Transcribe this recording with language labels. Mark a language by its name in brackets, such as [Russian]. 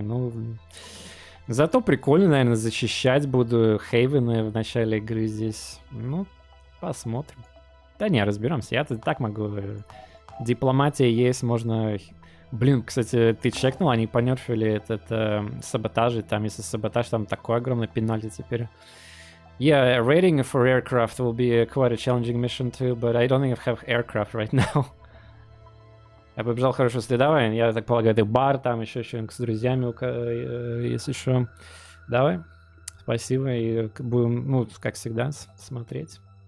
[Russian] Ну, зато прикольно, наверное, защищать буду хейвены в начале игры здесь. Ну, посмотрим. Да не, разберемся. Я-то так могу. Дипломатия есть, можно... Блин, кстати, ты чекнул, они понерфили этот саботаж, и там, если саботаж, там такой огромный пенальти теперь. [English] Yeah, rating for aircraft will be quite a challenging mission too, but I don't even have aircraft right now. [Russian] Я побежал хорошо с тобой, я так полагаю, ты бар, там еще что-нибудь с друзьями, если что. Давай, спасибо, и будем, ну, как всегда, смотреть.